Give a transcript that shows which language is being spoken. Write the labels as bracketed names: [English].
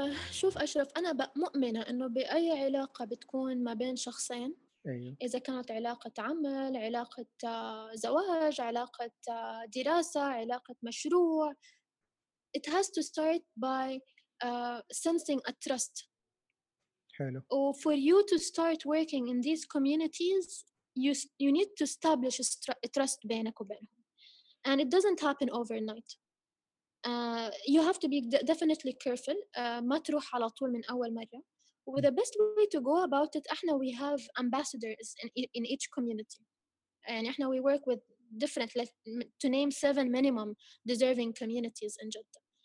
[Arabic] شوف أشرف, أنا مؤمنة أنه بأي علاقة بتكون ما بين شخصين, أيوه. إذا كانت علاقة عمل, علاقة زواج, علاقة دراسة, علاقة مشروع, [English] it has to start by sensing a trust. [Arabic] حلو. [English] For you to start working in these communities, you need to establish a trust [Arabic] بينك وبينهم. [English] And it doesn't happen overnight. You have to be definitely careful. [Arabic] ما تروح على طول من أول مرة. [English] Well, the best way to go about it, [Arabic] احنا, [English] we have ambassadors in each community. And [Arabic] احنا, [English] we work with different, to name 7 minimum deserving communities in Jeddah.